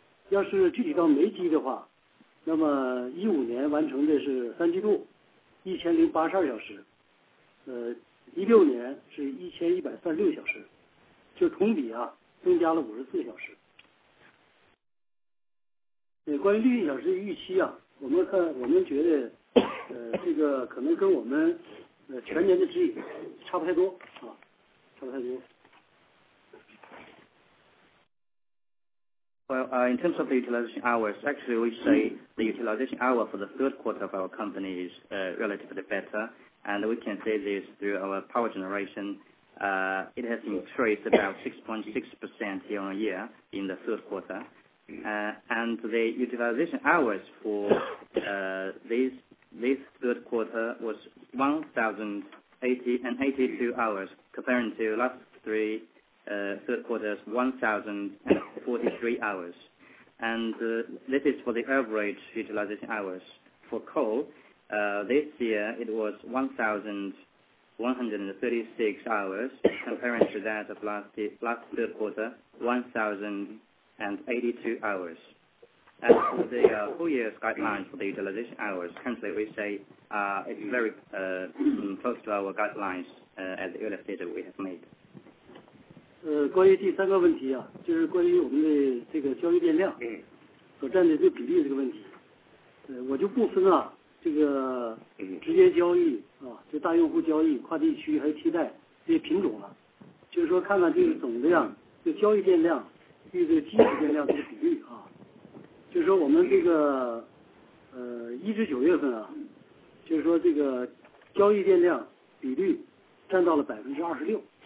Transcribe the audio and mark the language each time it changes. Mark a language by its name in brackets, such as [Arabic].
[Chinese] 要是具体到煤机的话，那么15年完成的是3季度1082小时，16年是1136小时，就同比啊增加了54小时。关于6小时的预期啊，我们觉得，这个可能跟我们。全年的指引差不太多啊，差不太多。 [English] Well, in terms of the utilization hours, actually we say the utilization hour for the third quarter of our company is relatively better, and we can say this through our power generation. It has increased about 6.6% year on year in the third quarter, and the utilization hours for this third quarter was 1,082 hours, comparing to last three third quarters, 1,043 hours. And this is for the average utilization hours. For coal, this year it was 1,136 hours, comparing to that of last third quarter, 1,082 hours. As for the whole year's guidelines for the utilization hours, currently we say it's very close to our guidelines at the early stage we have made. [Chinese] 关于第三个问题啊，就是关于我们的这个交易电量所占的这个比例这个问题，我就不分啊，这个直接交易啊，就大用户交易、跨地区还有替代这些品种了，就是说看看这个总量，就交易电量与这个基础电量这个比例啊，就是说我们这个一至九月份啊，就是说这个交易电量比例占到了26%。